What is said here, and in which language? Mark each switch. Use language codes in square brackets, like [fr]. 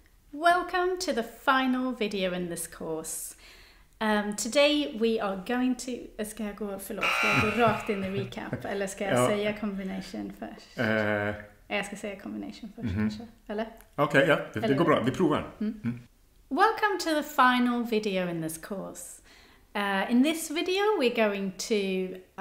[en] Welcome to the final video in this course. Today we are going to... [sv] Ska jag gå, förlåt, ska jag gå rakt in i recap? Eller ska jag säga combination först? Jag ska säga combination först kanske. Eller? Okej, okay, yeah, ja. Det går bra. Vi provar. [en] Welcome to the final video in this course. In this video we're going to...